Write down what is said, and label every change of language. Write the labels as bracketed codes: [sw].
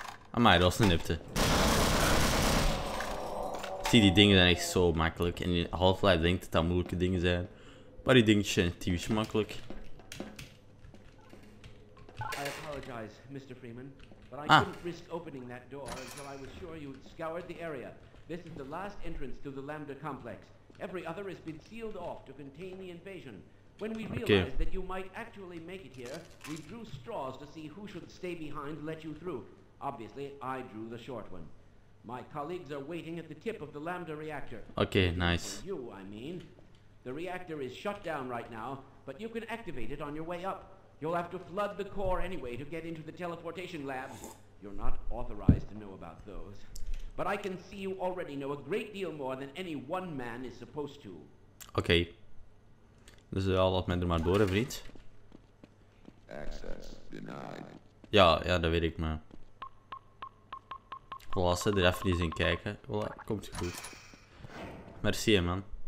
[nl] Amai, dat was een nipte. Zie, die dingen zijn echt zo makkelijk. En Half-Life denkt dat dat moeilijke dingen zijn. Maar die dingetjes zijn typisch makkelijk. [en] I apologize, Mr. Freeman, but I couldn't risk opening that door until I was sure you'd scoured the area. This is the last entrance to the Lambda complex. Every other has been sealed off to contain the invasion. When we realized that you might actually make it here, we drew straws to see who should stay behind to let you through. Obviously, I drew the short one. My colleagues are waiting at the tip of the Lambda reactor. Okay, nice. For you, I mean. The reactor is shut down right now, but you can activate it on your way up. You'll have to flood the core anyway to get into the teleportation lab. You're not authorized to know about those. But I can see you already know a great deal more than any one man is supposed to. Okay. [nl] Dus al laat men er maar door, vriend. [en] Access denied. [nl] Ja, ja, dat weet ik maar. Volassen, er even eens in kijken. Voilà, komt goed. Merci, man.